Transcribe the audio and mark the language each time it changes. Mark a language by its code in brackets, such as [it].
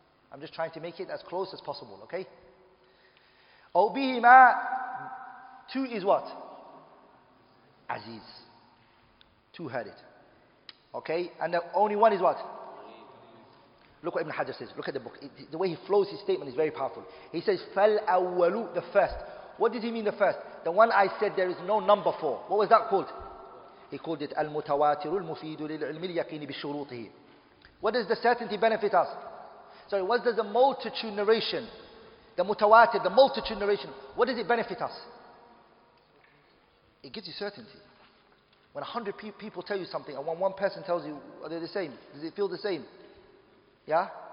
[en] I'm just trying to make it as close as possible, okay? Obihima, two is what? Aziz. Two heard it. Okay? And the only one is what? Look what Ibn Hajar says. Look at the book. The way he flows his statement is very powerful. He says, fal awwalu, the first. What did he mean, the first? The one I said there is no number for. What was that called? He called it [ar] المتواتر المفيد للعلم اليقين بشروطه. [en] What does the certainty benefit us? Sorry, what does the multitude narration, the mutawatir, the multitude narration, what does it benefit us? It gives you certainty. When 100 people tell you something and when one person tells you, are they the same? Does it feel the same? Yeah?